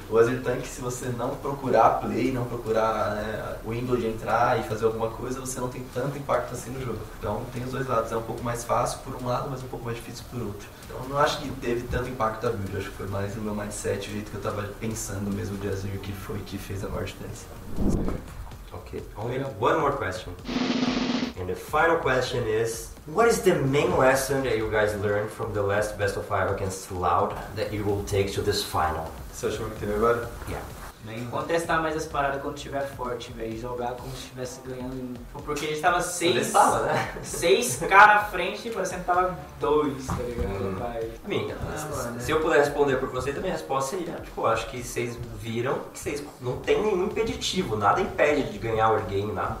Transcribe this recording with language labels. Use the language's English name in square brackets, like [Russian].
[Portuguese] O Azir Tank, se você não procurar play, não procurar, né, o Windows de entrar e fazer alguma coisa, você não tem tanto impacto assim no jogo. Então tem os dois lados. É um pouco mais fácil por um lado, mas um pouco mais difícil por outro. Então não acho que teve tanto impacto da build. Acho que foi mais no meu mindset, o jeito que eu tava pensando mesmo de Azir, que foi que fez a maior diferença. [English] Okay, only one more question. And the final question is, what is the main lesson that you guys learned from the last best of five against Loud that you will take to this final? Social media, everybody? Yeah. [Portuguese] contestar mais as paradas quando estiver forte, velho. Jogar como se estivesse ganhando. Porque a gente tava seis caras à frente e parece que tava dois, tá ligado? Se eu puder responder por você, também a resposta seria, tipo, eu acho que vocês viram que vocês não tem nenhum impeditivo, nada impede de ganhar o game, nada.